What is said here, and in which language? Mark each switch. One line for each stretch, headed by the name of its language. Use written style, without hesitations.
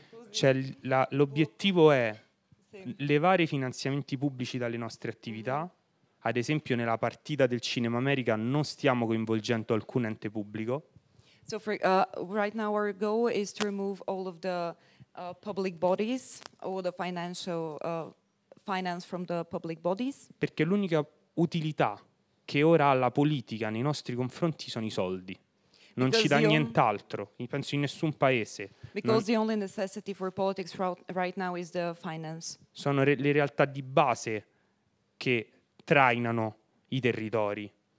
Italian: c'è l'obiettivo è levare i finanziamenti pubblici dalle nostre attività. Ad esempio, nella partita del Cinema America non stiamo coinvolgendo alcun ente pubblico.
English: So for, right now our goal is to remove all of the public bodies, all the financial finance from the public bodies.
Italian: Perché l'unica utilità che ora ha la politica nei nostri confronti sono i soldi. Non
English: because
Italian: ci dà nient'altro, penso in nessun paese.
English: Because the only necessity for politics right now is the finance.
Italian: Sono le realtà di base che trainano i territori.